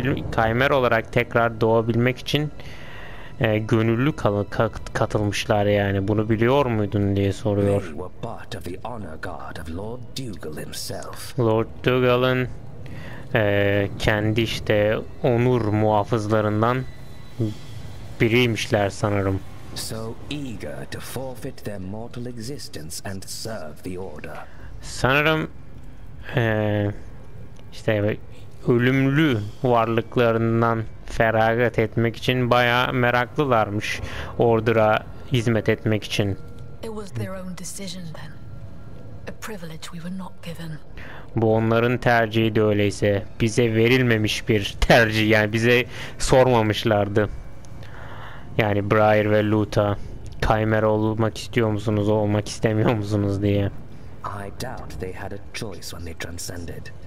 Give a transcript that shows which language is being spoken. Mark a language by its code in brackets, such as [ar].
[tr] Kaymera olarak tekrar doğabilmek için gönüllü katılmışlar yani. Bunu biliyor muydun diye soruyor. [en] They were part of the honor guard of Lord Dougal himself. [tr] Lord Dougal'ın kendi işte onur muhafızlarından biriymişler sanırım. [en] So eager to forfeit their mortal existence and serve the order. [tr] Sanırım işte ölümlü varlıklarından feragat etmek için bayağı meraklılarmış ordura hizmet etmek için. [en] It was their own decision then. A privilege we were not given. [tr] Bu onların tercihi de öyleyse. Bize verilmemiş bir tercih. Yani bize sormamışlardı. Yani Briar ve Luta. Chimera olmak istiyor musunuz, olmak istemiyor musunuz diye. [en] I doubt they had a choice when they transcended.